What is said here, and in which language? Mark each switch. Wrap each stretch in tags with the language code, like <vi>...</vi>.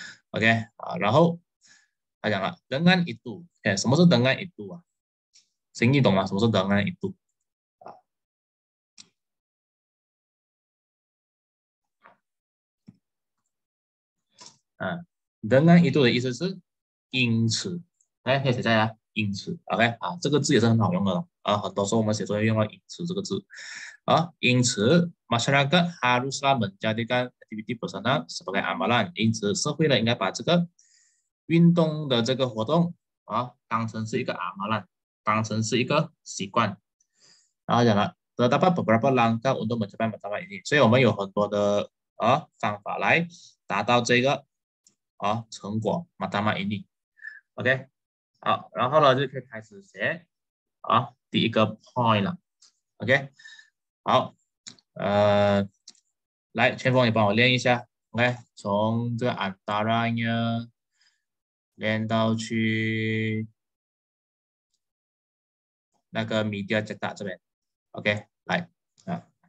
<zh>OK 啊，然后他讲了</zh> <ms>dengan itu，</ms> <zh>OK， 什么是 dengan itu 啊？行，你懂吗？什么是</zh> <ms>dengan itu？</ms> <zh>啊，嗯 ，</zh> <ms>dengan itu</ms> <zh>的意思是因此 ，OK， 可以写下来，因此 ，OK， 啊，这个字也是很好用的啊，很多时候我们写作业用到因此这个字。</zh> <ms>啊，</ms> <zh>因此</zh> <ms>，masyarakat haruslah menjadikan aktiviti personal sebagai amalan。</ms> <zh>因此，社会呢应该把这个运动的这个活动啊，当成是一个 amalan， 当成是一个习惯。然后讲了，得到把</zh> <ms>beberapa langkah untuk mencapai mencapai ini。</ms> <zh>所以我们有很多的啊方法来达到这个啊成果</zh> <ms>mencapai ini。</ms> <zh>OK， 好，然后呢就可以开始写啊第一个 point 了。 OK。好，来，千峰，你帮我练一下 ，OK， 从这个安达拉呀，练到去那个米迪亚杰达这边 ，OK， 来，啊，</zh>